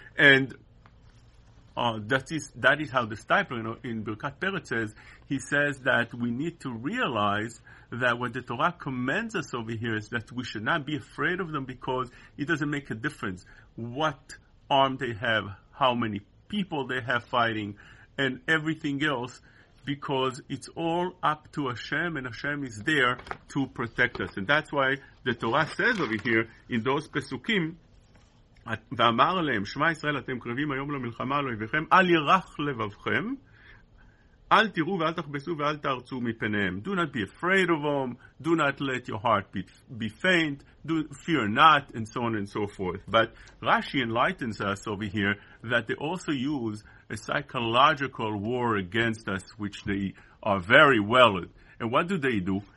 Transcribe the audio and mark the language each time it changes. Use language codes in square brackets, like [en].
[en] And that is how the stipler in Birkat Peretz says, he says that we need to realize that what the Torah commands us over here is that we should not be afraid of them, because it doesn't make a difference what arm they have, how many people they have fighting, and everything else, because it's all up to Hashem, and Hashem is there to protect us. And that's why the Torah says over here in those Pesukim, [he] ואמר להם, שמע ישראל, אתם קרבים היום למלחמה על אויביכם, אל ירח לבבכם, אל תראו ואל תחבסו ואל תארצו מפניהם. [en] Do not be afraid of them, do not let your heart be faint, do fear not, and so on and so forth. But Rashi enlightens us over here that they also use a psychological war against us, which they are very well at. And what do they do?